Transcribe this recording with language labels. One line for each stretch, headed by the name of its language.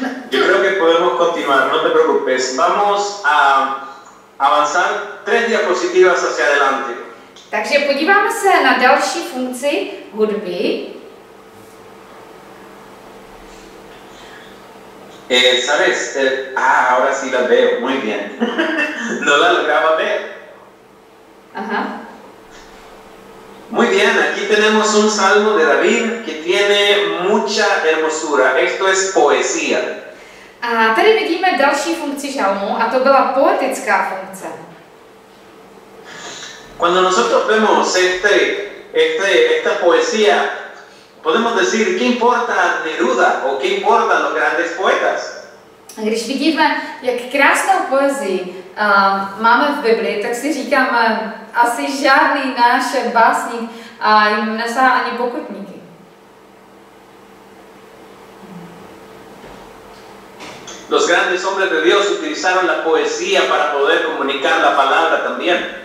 Spanish: Yo creo que podemos continuar, no te preocupes. Vamos a avanzar tres diapositivas hacia adelante.
Czech: Takže podíváme se na další funkci hudby.
Spanish: ¿Sabes? Ahora sí la veo, muy bien. No la lograba ver. Muy bien, aquí tenemos un salmo de David que tiene mucha hermosura. Esto es poesía.
Czech: A tady vidíme další funkci žalmu a to byla poetická funkce.
Spanish: Cuando nosotros vemos esta poesía, podemos decir, ¿qué importa Neruda o qué importan los grandes poetas?
Czech: A když vidíme, jak krásnou poezii máme v Biblii, tak si říkáme, asi žádný náš básník jim nesáhá ani pokutníky.
Spanish: Los grandes hombres de Dios utilizaron la poesía para poder comunicar la palabra también.